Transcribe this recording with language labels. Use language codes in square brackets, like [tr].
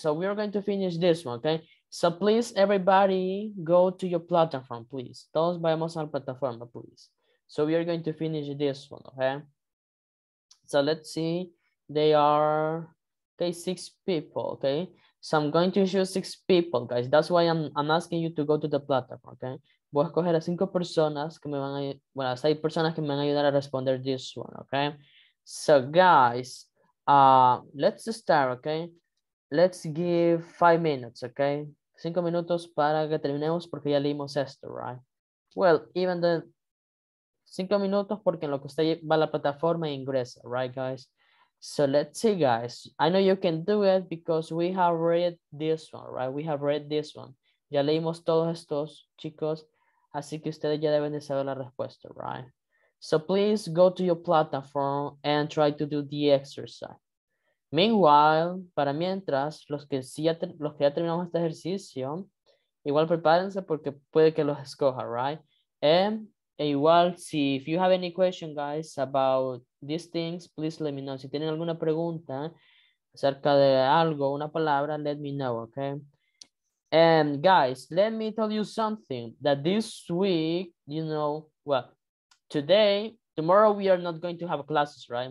[en] So we are going to finish this one, okay? So please, everybody, go to your platform, please. [es] Todos vayamos a la plataforma, [en] please. So we are going to finish this one, okay? So let's see. They are, okay, six people, okay? So I'm going to choose six people, guys. That's why I'm asking you to go to the platform, okay? [es] Voy a escoger a cinco personas que me van a... Bueno, hay personas que me van a ayudar a responder [en] this one, okay? So, guys, let's start, okay? Let's give 5 minutes, okay? [es] 5 minutos para que terminemos porque ya leímos esto, [en] right? Well, even the... [es] 5 minutos porque en lo que usted va a la plataforma e ingresa, [en] right, guys? So let's see, guys. I know you can do it because we have read this one, right? We have read this one. [es] Ya leímos todos estos, chicos. Así que ustedes ya deben de saber la respuesta, right? [en] So please go to your platform and try to do the exercise. [es] Meanwhile, para mientras, los que ya terminamos este ejercicio, igual prepárense porque puede que los escoja, right? [en] And igual, see if you have any question, guys, about these things, please let me know. [es] Si tienen alguna pregunta acerca de algo, una palabra, [en] let me know, okay? And guys, let me tell you something, that this week, you know, well, today, tomorrow we are not going to have classes, right?